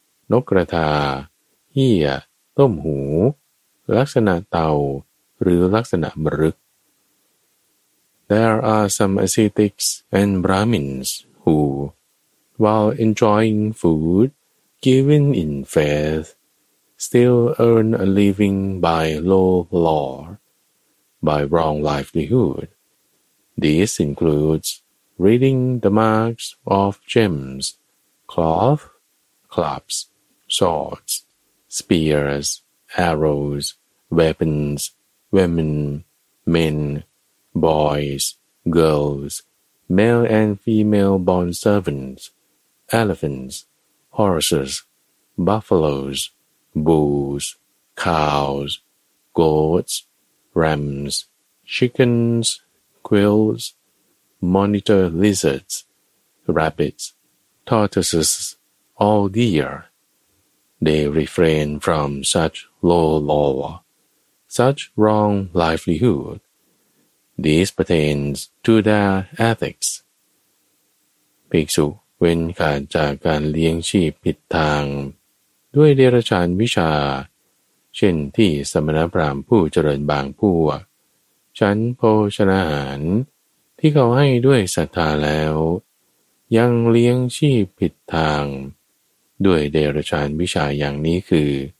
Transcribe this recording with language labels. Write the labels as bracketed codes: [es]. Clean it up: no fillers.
[th] นกกระทาเหี้ยต้มหูลักษณะเต่าหรือลักษณะมรึก [en] There are some ascetics and Brahmins who, while enjoying food given in faith, still earn a living by low law, by wrong livelihood. This includes reading the marks of gems, cloth, clubs, swords, spears, arrows, weapons,Women, men, boys, girls, male and female bond servants, elephants, horses, buffaloes, bulls, cows, goats, rams, chickens, quails, monitor lizards, rabbits, tortoises, all deer. They refrain from such low law, such wrong livelihood. This pertains to their ethics. [th] ภิกษุเว้นขาดจากการเลี้ยงชีพผิดทางด้วยเดรัจฉานวิชาเช่นที่สมณพราหมณ์ผู้เจริญบางพวกฉันโภชนาหารที่เขาให้ด้วยศรัทธาแล้วยังเลี้ยงชีพผิดทางด้วยเดรัจฉานวิชาอย่างนี้คือ